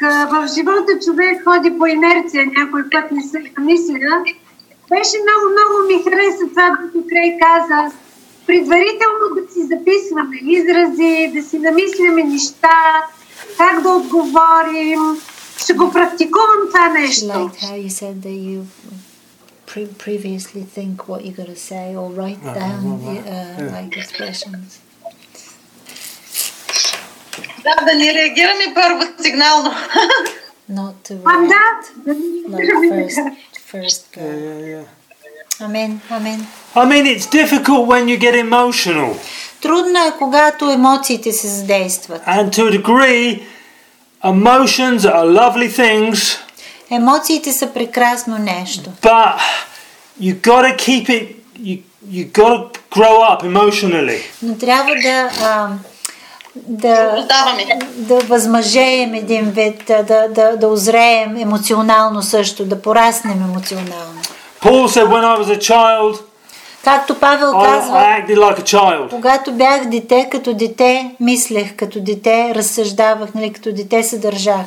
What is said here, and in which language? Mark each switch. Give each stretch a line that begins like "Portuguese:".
Bulgarian: В живота човек ходи по инерция, някой път не се мисля. Беше много ми хареса това, което Край каза. Предварително да си записваме изрази, да си намисляме неща, как да отговорим. Ще го практикувам това нещо.
English: Like how you said that you previously think what you're going to say or write down the, like expressions.
Bulgarian: Да, да не реагираме първо сигнално.
English: Not to react. Да. First go. Амин, амин. Амин, it's difficult when you get emotional.
Bulgarian: Трудно е, когато емоциите се задействат.
English: And to a degree, emotions are lovely things.
Bulgarian: Емоциите са прекрасно нещо.
English: But you gotta keep it, you gotta grow up emotionally.
Bulgarian: Но трябва да... Да възмъжеем един вид, да озреем емоционално също, да пораснем емоционално.
English: Paul said, when I was a child,
Bulgarian: както Павел казва,
English: I acted like a child.
Bulgarian: Когато бях дете, като дете мислех, като дете разсъждавах, нали, като дете се държах.